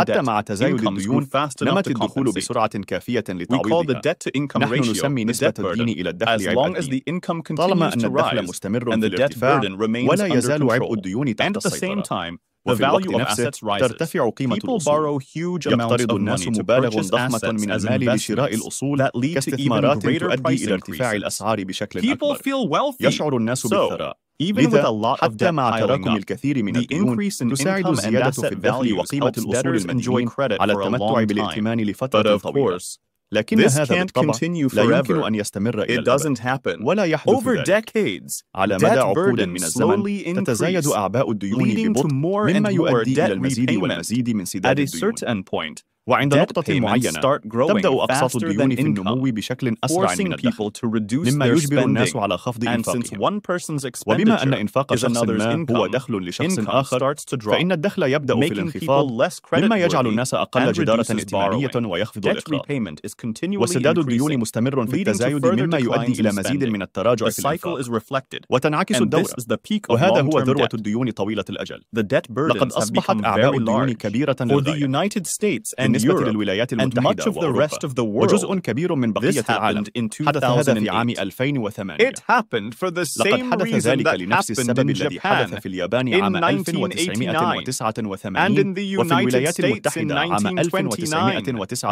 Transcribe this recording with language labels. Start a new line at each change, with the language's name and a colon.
Arabic: حتى مع تزايد الديون نمت الدخول بسرعة كافية لتعويضها نحن نسمي نسبة الدين إلى الدخل عبء الدين طالما أن الدخل مستمر في الارتفاع ولا يزال عبء الديون تحت السيطرة
English: The value of assets rises. People borrow huge amounts of money to purchase assets
Arabic: من
English: as investments that lead to even greater price increases. People feel wealthy.
Arabic: يشعر الناس بالثراء.
English: Even with a lot of debt piling up,
Arabic: حتى مع تراكم الكثير من الديون تساعد زيادة في الدخل وقيمة الأصول المدينة على التمتع بالائتمان لفترة طويلة. لكن
English: this
Arabic: هذا
English: can't
Arabic: بالطبع
English: continue
Arabic: لا يمكن أن يستمر
English: It doesn't happen.
Arabic: ولا يحدث
English: Over decades,
Arabic: على مدى عقود من الزمن تتزايد أعباء الديون ببطء مما يؤدي إلى المزيد والمزيد من سداد الديون وعند نقطة معينة تبدأ أقساط الديون في النمو بشكل أسرع من الدخل مما يجبر الناس على خفض إنفاقهم وبما أن إنفاق شخص ما هو دخل لشخص آخر فإن الدخل يبدأ في الانخفاض مما يجعل الناس أقل جدارة ائتمانية ويخفض الإقراض وسداد الديون مستمر في التزايد مما يؤدي إلى مزيد من التراجع في الإنفاق وتنعكس الدورة وهذا هو ذروة الديون طويلة الأجل لقد أصبحت أعباء الديون كبيرة للغاية
English: Europe and much of the rest of the world.
Arabic: وجزء كبير من بقية
English: this happened
Arabic: العالم.
English: In 2008.
Arabic: حدث في عام 2008.
English: It happened for the same reason that happened in Japan
Arabic: في اليابان عام 1989
English: and in the United States in 1929.